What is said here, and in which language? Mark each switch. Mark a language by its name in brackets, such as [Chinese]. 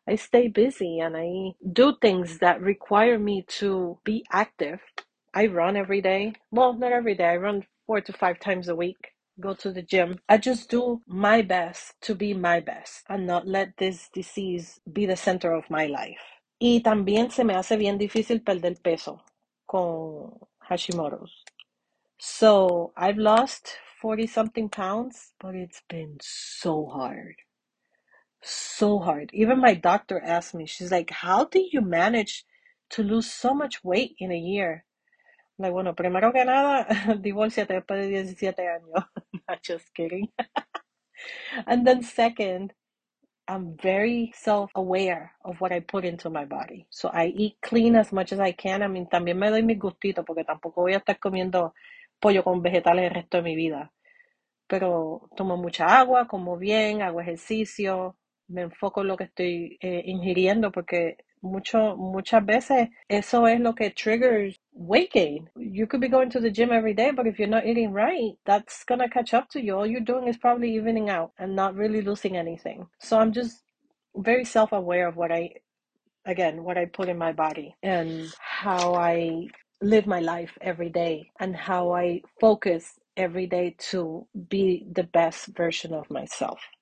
[English] I stay busy and I do things that require me to be active. I run every day. Well, not every day. I run 4 to 5 times a week, go to the gym. I just do my best to be my best and not let this disease be the center of my life. [Spanish] Y también se me hace bien difícil perder peso con Hashimoto's. [English] So I've lost 40 something pounds, but it's been so hard. So hard. Even my doctor asked me, she's like, "How do you manage to lose so much weight in a year?" [Spanish] Bueno, primero que nada, divórciate después de 17 años. [English] Just kidding. And then second, I'm very self-aware of what I put into my body. So I eat clean as much as I can. I mean, [Spanish] también me doy mis gustitos porque tampoco voy a estar comiendo pollo con vegetales el resto de mi vida. Pero tomo mucha agua, como bien, hago ejercicio, me enfoco en lo que estoy ingiriendo porque muchas veces eso es lo que [English] triggers weight gain. You could be going to the gym every day, but if you're not eating right, that's gonna catch up to you. All you're doing is probably evening out and not really losing anything. So I'm just very self-aware of what I put in my body and how I live my life every day and how I focus every day to be the best version of myself.